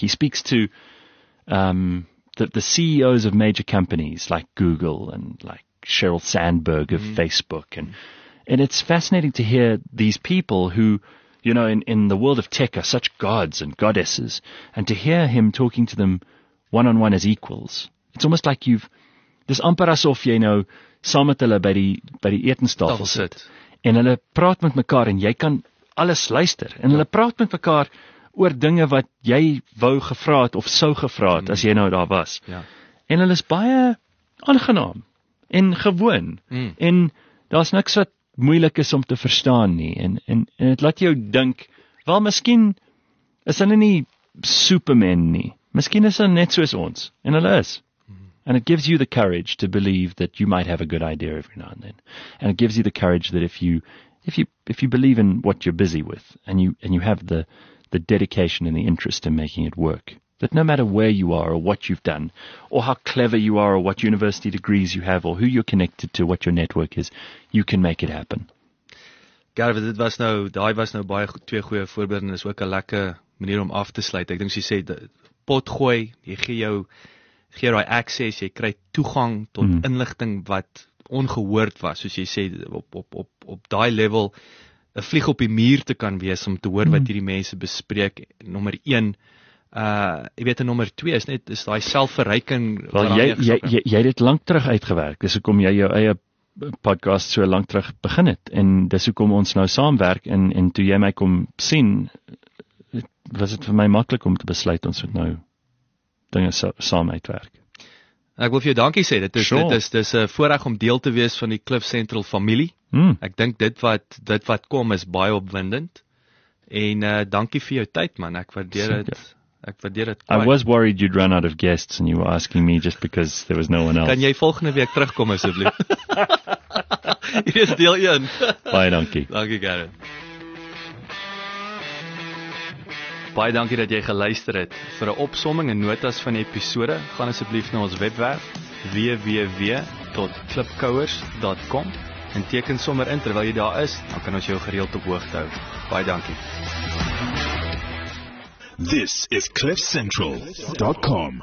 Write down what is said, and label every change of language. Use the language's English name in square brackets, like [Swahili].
[English] He speaks to the CEOs of major companies like Google and like Sheryl Sandberg of mm-hmm. Facebook. And it's fascinating to hear these people who – you know, in the world of tech are such gods and goddesses. And to hear him talking to them one-on-one as equals, it's almost like you've... [Afrikaans] Dis amper asof jy nou saam met hulle by die etenstafel sit. En hulle praat met mekaar en jy kan alles luister. En hulle praat met mekaar oor dinge wat jy wou gevra het of sou gevra het as jy nou daar was. [English] Yeah. [Afrikaans] En hulle is baie aangenaam en gewoon. Mm. En daar is niks wat... moeilik is om te verstaan nie, en het laat jou dink, wel, miskien is hulle nie supermen nie, miskien is hulle net soos ons, en hulle is. [English] And it gives you the courage to believe that you might have a good idea every now and then. And it gives you the courage that if you believe in what you're busy with, and you have the dedication and the interest in making it work, that no matter where you are or what you've done or how clever you are or what university degrees you have or who you're connected to, what your network is, you can make it happen. [Afrikaans] Gareth, dit was nou baie twee goeie voorbeelde en is ook 'n lekker manier om af te sluit. Ek dink jy sê pot gooi, jy gee daai access, jy kry toegang tot inligting wat ongehoord was, soos jy sê op daai level 'n vlieg op die muur te kan wees om te hoor wat hierdie mense bespreek. Nommer 1 jy weet, nummer 2 is daai selfverryking. Wel, jy het dit lank terug uitgewerk, dis hoekom jy jou eie podcast so lank terug begin het, en dis hoekom ons nou saamwerk, en toe jy my kom sien, was het vir my maklik om te besluit, ons moet nou dinge saam uitwerk. Ek wil vir jou dankie sê, dit is 'n voorreg om deel te wees van die Cliff Central familie. Ek dink dit wat kom is baie opwindend, en dankie vir jou tyd, man, ek waardeer dit. Ek waardeer dit [English] kwaai. I was worried you'd run out of guests and you were asking me just because there was no one else. [Afrikaans] Kan jy volgende week terugkom asseblief? Hier is deel 1. Baie dankie. Dankie, Gareth. Baie dankie dat jy geluister het. Vir 'n opsomming en notas van die episode, gaan asseblief na ons webwerf www.klipkouers.com en teken sommer in terwyl jy daar is, dan kan ons jou gereeld op hoogte hou. Baie dankie. [English] This is CliffCentral.com.